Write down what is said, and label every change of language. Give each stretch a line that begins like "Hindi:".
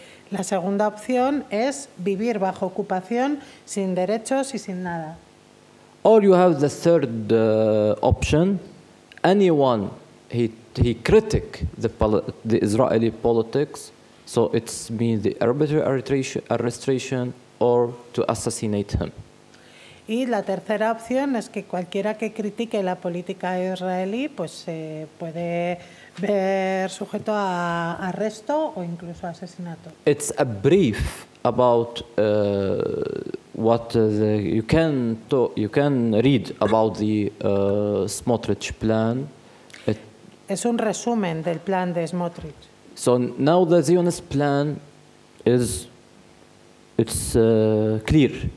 Spanish: La segunda opción es vivir bajo ocupación sin derechos y sin nada.
English: Or you have the third option. Anyone he critic the Israeli politics, so it's mean the arbitrary arrestation or to assassinate him.
Spanish: Y la tercera opción es que cualquiera que critique la política israelí, pues se puede ver sujeto a arresto o incluso asesinato.
English: It's a brief about what you can read about the Smotrich plan.
Spanish: Es un resumen del plan de Smotrich.
English: So now the Zionist plan is clear.